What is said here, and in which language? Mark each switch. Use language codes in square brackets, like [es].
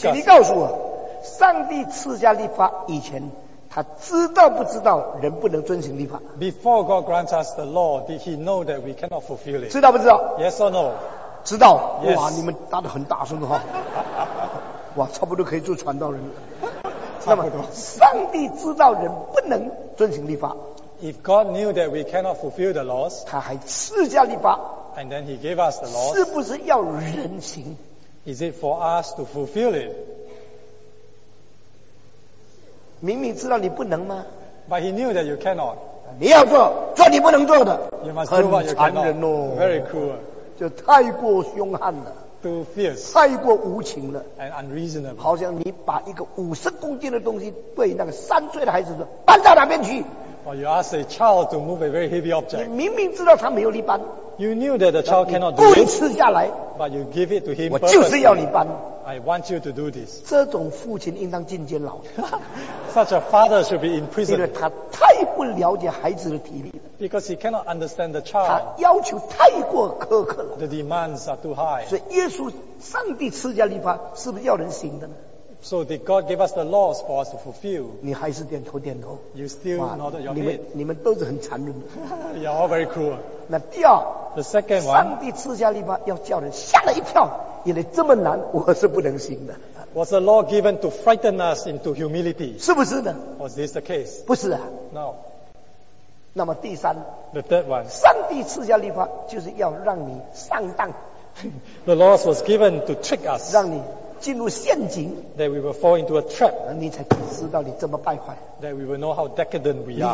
[zh] 请你告诉我，上帝赐下律法以前，他知道不知道人不能遵行律法？ [en] Before God grants us the law, did he know that we cannot fulfill it? [zh] 知道不知道？ [en] Yes or no? [zh] 知道。 [en] Yes. [zh] 哇，你们答得很大声的话。哇，差不多可以做传道人了。差不多。上帝知道人不能遵行律法。 [en] If God knew that we cannot fulfill the laws, [zh] 他还赐下律法。 [en] And then he gave us the laws. [zh] 是不是要人行？ [en] Is it for us to fulfill it? [zh] 明明知道你不能吗？ [en] But he knew that you cannot. [zh] 你要做，做你不能做的。 [en] You must do what you cannot. [zh] 很残忍哦。 [en] Very cruel. [zh] 就太过凶悍了。 [en] Too fierce. [zh] 太过无情了。 [en] And unreasonable. [zh] 好像你把一个50公斤的东西对那个3岁的孩子说，搬到哪边去？ [en] Or you ask a child to move a very heavy object. [zh] 你明明知道他没有力搬。 [en] You knew that the child cannot do it. [zh] 故意吃下来。 [en] But you give it to him. [zh] 我就是要你搬。 [en] I want you to do this. [zh] 这种父亲应当进监牢。 [en] Such a father should be in prison. [zh] 因为他太不了解孩子的体力了。 [en] Because he cannot understand the child. [zh] 他要求太过苛刻了。 [en] The demands are too high. [zh] 所以耶稣，上帝赐下律法，是不是要人行的呢？ [en] So did God give us the laws for us to fulfill? [zh] 你还是点头点头。 [en] You still nodded your head. [zh] 你们都是很残忍的。 [en] You're all very cruel. [zh] 那第二。 [en] The second one. [zh] 上帝赐下律法，要叫人吓了一跳。原来这么难，我是不能行的。 [en] Was the law given to frighten us into humility? [zh] 是不是呢？ [en] Was this the case? [zh] 不是啊。 [en] No. [zh] 那么第三。 [en] The third one. [zh] 上帝赐下律法就是要让你上当。 [en] The laws was given to trick us. [zh] 让你进入陷阱。 [en] That we will fall into a trap. [zh] 你才知道你这么败坏。 [en] That we will know how decadent we are.